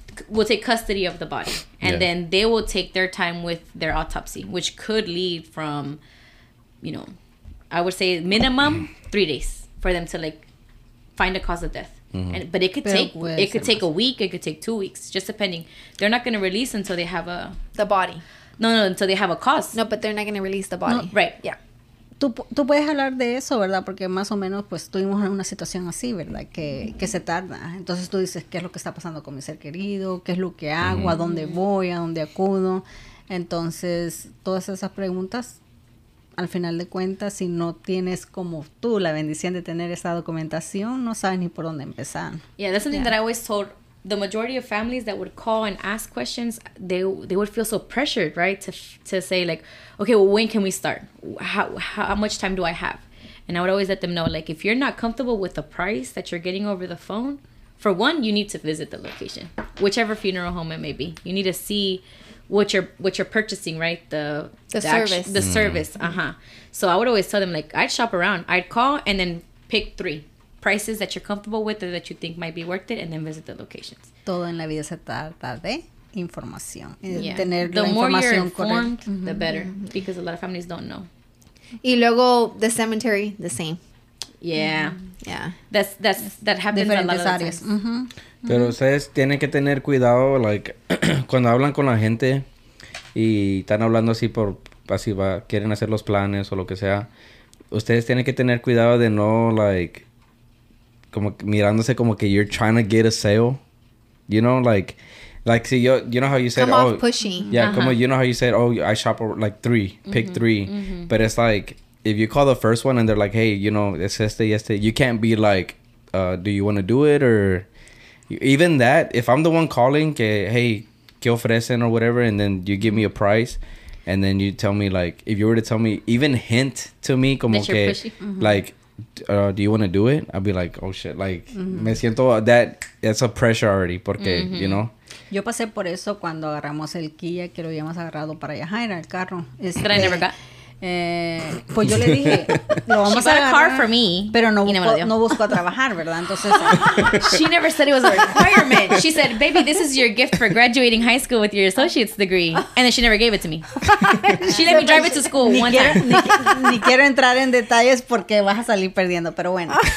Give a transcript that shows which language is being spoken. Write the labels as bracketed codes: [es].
[en] Will take custody of the body and then they will take their time with their autopsy, which could lead from, you know, I would say minimum 3 days for them to like find a cause of death. Mm-hmm. And but it could take a week, it could take 2 weeks, just depending. They're not going to release until they have the body. No, until they have a cause. No, but they're not going to release the body. No, right. Yeah. [es] Tú puedes hablar de eso, ¿verdad? Porque más o menos, pues, tuvimos una situación así, ¿verdad? Que se tarda. Entonces, tú dices, ¿qué es lo que está pasando con mi ser querido? ¿Qué es lo que hago? Uh-huh. ¿A dónde voy? ¿A dónde acudo? Entonces, todas esas preguntas, al final de cuentas, si no tienes como tú la bendición de tener esa documentación, no sabes ni por dónde empezar. [en] Yeah, that's something that I always told the majority of families that would call and ask questions, they would feel so pressured, right? To say like, okay, well, when can we start? How much time do I have? And I would always let them know, like, if you're not comfortable with the price that you're getting over the phone, for one, you need to visit the location, whichever funeral home it may be. You need to see what you're purchasing, right? The service. Uh-huh. So I would always tell them, like, I'd shop around. I'd call and then pick three prices that you're comfortable with or that you think might be worth it, and then visit the locations. [es] Todo en la vida se trata de información. [en] Yeah. [es] Tener [en] the more you're informed, mm-hmm. the better, mm-hmm. because a lot of families don't know. [es] Y luego, [en] the cemetery, the same. Yeah. Yeah. That happens a lot of times. Mm-hmm. [es] Pero ustedes tienen que tener cuidado, like, cuando hablan con la gente y están hablando así por, así va, quieren hacer los planes o lo que sea, ustedes tienen que tener cuidado de no, like, como mirándose como que [en] you're trying to get a sale, you know, like... Like, see, you know how you said, come off pushing. Yeah, uh-huh. [es] Como, [en] you know how you said, oh, I shop, like, three, pick mm-hmm. three. Mm-hmm. But it's like, if you call the first one and they're like, hey, you know, it's yesterday, you can't be like, do you want to do it? Or even that, if I'm the one calling, [es] que, [en] hey, [es] ¿qué ofrecen? [en] Or whatever, and then you give me a price, and then you tell me, like, if you were to tell me, even hint to me, [es] como que, [en] like, do you want to do it? I'd be like, oh, shit, like, mm-hmm. [es] me siento, [en] that's a pressure already, [es] porque, [en] mm-hmm. you know. [es] Yo pasé por eso cuando agarramos el Kia que lo habíamos agarrado para Yajaira, el carro. [en] That I never got. [es] Pues yo le dije, lo vamos [en] she [es] a agarrar. [en] She got a car for me. [es] Pero no busco a trabajar, ¿verdad? Entonces. [en] She never said it was a requirement. She said, baby, this is your gift for graduating high school with your associate's degree. And then she never gave it to me. She let me drive it to school one time. [es] Ni quiero entrar en detalles porque vas a salir perdiendo, pero bueno.